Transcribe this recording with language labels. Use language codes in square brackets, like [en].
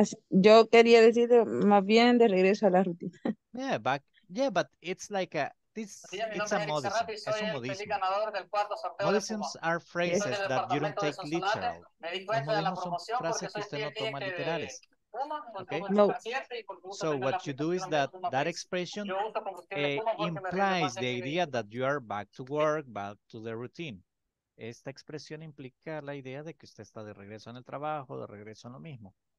[es] Yo quería decir más bien de regreso a la rutina. [en] Yeah, but it's like a, this, it's a modism. [es] Es un modismo. [en] Modisms are phrases that you don't take literal. [es] Un modismo son frases que usted no toma literales. Okay. No. [en] So what you do is that expression implies the idea that you are back to work, back to the routine. [es] Esta expresión implica la idea de que usted está de regreso en el trabajo, de regreso en lo mismo.